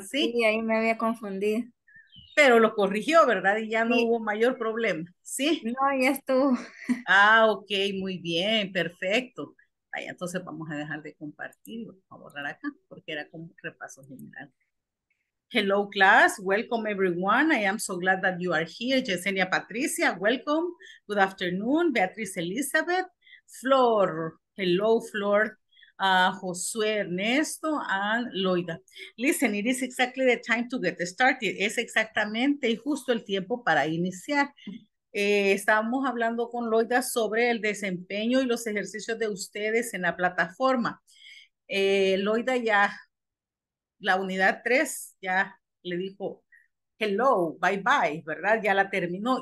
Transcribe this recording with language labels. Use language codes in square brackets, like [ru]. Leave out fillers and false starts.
[es] Sí, Sí. ahí me había confundido. Pero lo corrigió, ¿verdad? Y ya no Sí. hubo mayor problema, ¿sí? No, ya estuvo. Ah, ok, muy bien, perfecto. Ahí, entonces vamos a dejar de compartir, vamos a borrar acá, porque era como un repaso general. [en] Hello class, welcome everyone. I am so glad that you are here. Yesenia Patricia, welcome. Good afternoon. Beatriz Elizabeth, Flor, hello Flor, Josué Ernesto, and Loida. Listen, it is exactly the time to get started. [es] Es exactamente y justo el tiempo para iniciar. Estábamos hablando con Loida sobre el desempeño y los ejercicios de ustedes en la plataforma. Loida ya. La unidad 3 ya le dijo hello, bye bye, ¿verdad? Ya la terminó.